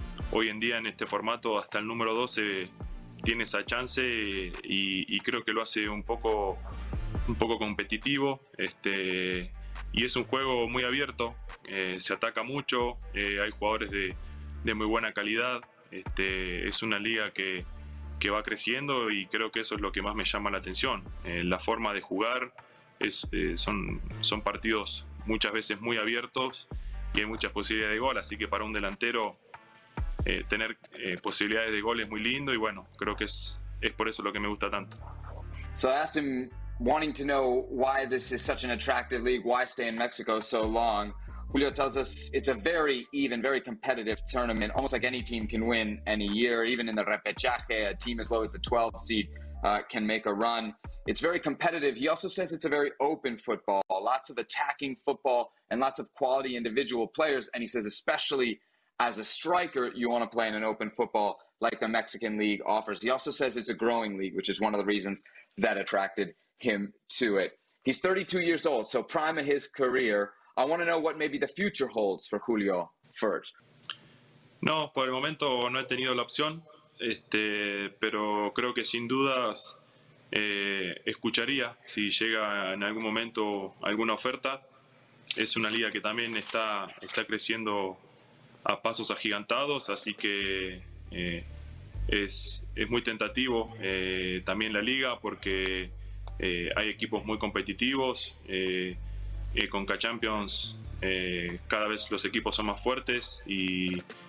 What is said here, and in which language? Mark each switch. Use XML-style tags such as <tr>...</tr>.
<es>Hoy en día, en este formato, hasta el número 12 tiene esa chance y creo que lo hace un poco competitivo, y es un juego muy abierto, se ataca mucho, hay jugadores de muy buena calidad, es una liga que va creciendo y creo que eso es lo que más me llama la atención. La forma de jugar son partidos muchas veces muy abiertos y hay muchas posibilidades de gol, así que para un delantero tener posibilidades de gol es muy lindo y bueno, creo que es por eso lo que me gusta tanto.</es> <en>So that's him wanting to know why this is such an attractive league, why stay in Mexico so long. Julio tells us it's a very even, very competitive tournament. Almost like any team can win any year, even in the repechaje, a team as low as the 12th seed can make a run. It's very competitive. He also says it's a very open football, lots of attacking football and lots of quality individual players. And he says, especially as a striker, you want to play in an open football like the Mexican League offers. He also says it's a growing league, which is one of the reasons that attracted him to it. He's 32 years old, so prime of his career. I want to know what maybe the future holds for Julio first.</en> <es>No, por el momento no he tenido la opción, pero creo que sin dudas escucharía si llega en algún momento alguna oferta. Es una liga que también está creciendo a pasos agigantados, así que es muy tentativo también la liga porque hay equipos muy competitivos, Conca Champions, cada vez los equipos son más fuertes y</es>